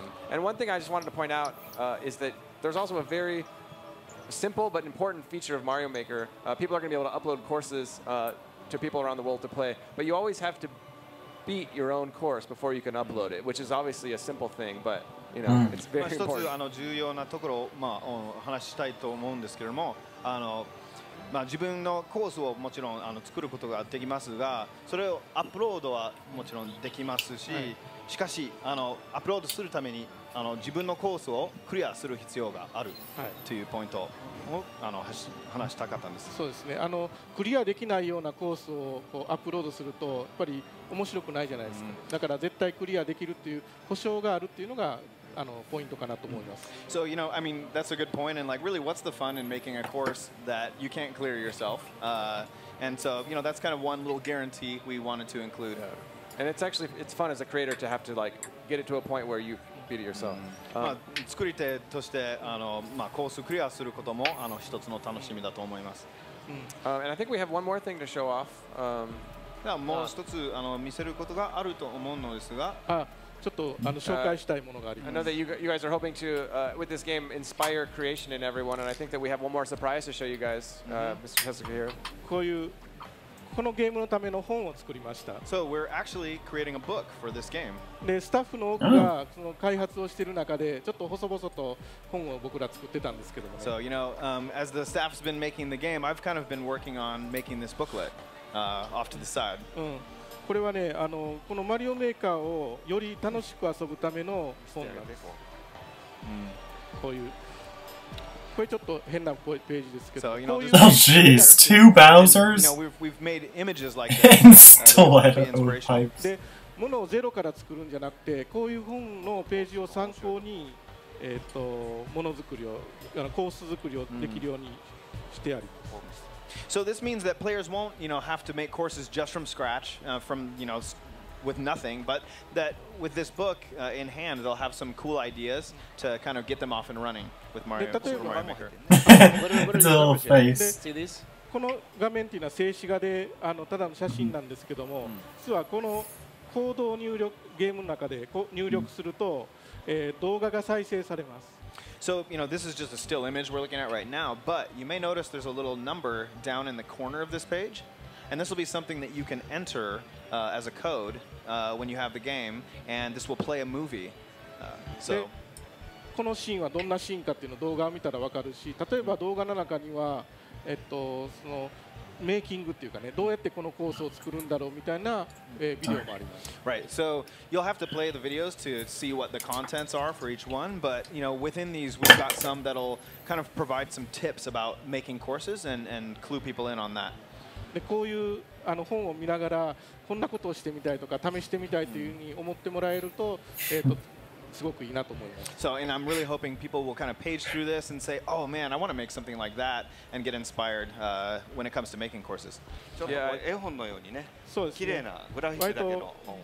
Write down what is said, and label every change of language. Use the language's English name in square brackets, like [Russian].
[English] And one thing I just wanted to point out is that there's also a very simple but important feature of Mario Maker. People are going to be able to upload courses to people around the world to play, but you always have to... beat your own course before you can upload it, which is obviously a simple thing, but you know, it's very important. [Japanese] 一つあの重要なところを、まあ、話したいと思うんですけれども、あの、まあ、自分のコースをもちろんあの作ることができますが、それをアップロードはもちろんできますし、はい、しかしあのアップロードするためにあの自分のコースをクリアする必要がある、はい、というポイントをあの話したかったんです。そうですね、あのクリアできないようなコースをこうアップロードするとやっぱり面白くないじゃないですか、うん、だから絶対クリアできるっていう保証があるっていうのがあのポイントかなと思います。 [English] So, you know, I mean, that's a good point. And like, really, what's the fun in making a course that you can't clear yourself? And so, you know, that's kind of one little guarantee we wanted to include. And it's actually, it's fun as a creator to have to like, get it to a point where you beat it yourself. [Japanese] まあ、作り手としてあの、まあ、コースクリアすることもあの一つの楽しみだと思います。 [English] And I think we have one more thing to show off. [Japanese] ではもう一つあの見せることがあると思うのですが、ちょっとあの紹介したいものがあります。 [English] I know that you guys are hoping to, with this game, inspire creation in everyone, and I think that we have one more surprise to show you guys, Mr. Tezuka here. [Japanese] こういう、このゲームのための本を作りました。 [English] So we're actually creating a book for this game. [Japanese] で、スタッフの多くがその開発をしている中で、ちょっと細々と本を僕ら作ってたんですけども、ね。 [English] So, you know, as the staff's been making the game, I've kind of been working on making this booklet, off to the side. [Japanese] これはね、あの、このマリオメーカーをより楽しく遊ぶための本なんです。こういう、これちょっと変なページですけど、こういう。 [English] Oh jeez, two Bowsers? You know, we've made images like this. [Japanese] で、ものをゼロから作るんじゃなくて、こういう本のページを参考に、ものづくりを、あの、コース作りをできるようにしてあります。 [English] So this means that players won't, you know, have to make courses just from scratch, from, you know, with nothing, but that with this book in hand, they'll have some cool ideas to kind of get them off and running with Mario, Super Mario Maker. It's a little face. See this? [Japanese] この画面っていうのは静止画で、あの、ただの写真なんですけども、実はこのコードを入力、ゲームの中で入力すると、動画が再生されます。 [English] So, you know, this is just a still image we're looking at right now, but you may notice there's a little number down in the corner of this page, and this will be something that you can enter as a code when you have the game, and this will play a movie. So, [Japanese] このシーンはどんなシーンかっていうのを動画を見たらわかるし、例えば動画の中にはそのメイキングっていうかね、どうやってこのコースを作るんだろうみたいな、ビデオもあります。 [English] Right, so you'll have to play the videos to see what the contents are for each one, but you know, within these we've got some that'll kind of provide some tips about making courses and clue people in on that. [Japanese] で、こういうあの本を見ながら、こんなことをしてみたいとか、試してみたいというふうに思ってもらえると、すごくいいなと思います。 [English] So, and I'm really hoping people will kind of page through this and say, oh man, I want to make something like that and get inspired、when it comes to making courses. [Japanese] ちょっと絵本のようにね、綺麗なグラフィックだけの本を。